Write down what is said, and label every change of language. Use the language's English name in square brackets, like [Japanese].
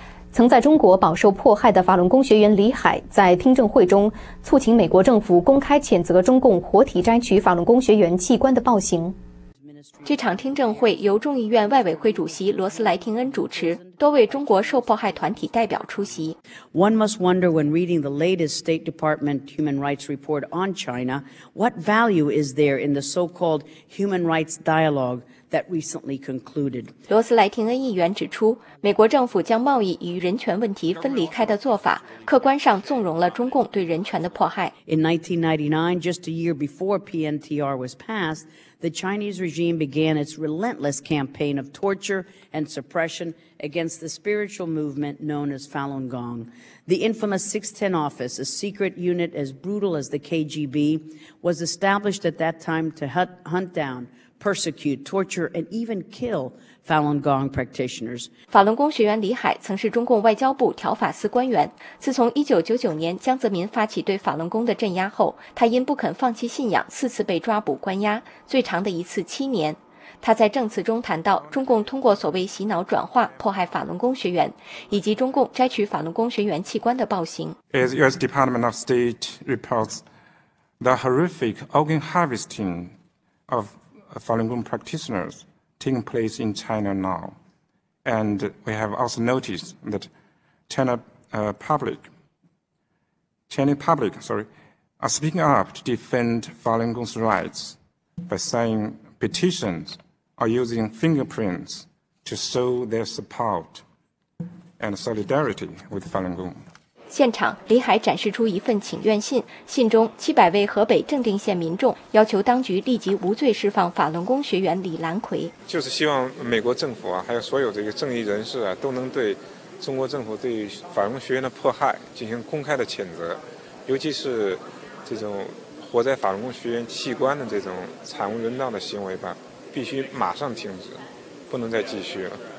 [Chinese] 曾在中国饱受迫害的法轮功学员李海在听证会中促请美国政府公开谴责中共活体摘取法轮功学员器官的暴行。这场听证会由众议院外委会主席罗斯莱廷恩主持，多位中国受迫害团体代表出席。 [English] One must wonder when reading the latest State Department Human Rights Report on China, what value is there in the so-called Human Rights Dialogue that recently concluded? [Chinese] 罗斯莱廷恩议员指出，美国政府将贸易与人权问题分离开的做法，客观上纵容了中共对人权的迫害。 [English] In 1999, just a year before PNTR was passed,The Chinese regime began its relentless campaign of torture and suppression against the spiritual movement known as Falun Gong. The infamous 610 office, a secret unit as brutal as the KGB, was established at that time to hunt down, persecute, torture, and even kill Falun Gong practitioners. [Chinese] 法轮功学员李海曾是中共外交部调法司官员。自从1999年江泽民发起对法轮功的镇压后，他因不肯放弃信仰四次被抓捕关押，最长的一次七年。他在证词中谈到中共通过所谓洗脑转化迫害法轮功学员，以及中共摘取法轮功学员器官的暴行。 [English] As US Department of State reports, the horrific organ harvesting of Falun Gong practitionersTaking place in China now. And we have also noticed that Chinese public are speaking up to defend Falun Gong's rights by signing petitions or using fingerprints to show their support and solidarity with Falun Gong. [Chinese] 现场，李海展示出一份请愿信，信中700位河北正定县民众要求当局立即无罪释放法轮功学员李兰奎。就是希望美国政府啊，还有所有这个正义人士啊，都能对中国政府对法轮功学员的迫害进行公开的谴责，尤其是这种活在法轮功学员器官的这种惨无人道的行为吧，必须马上停止，不能再继续了。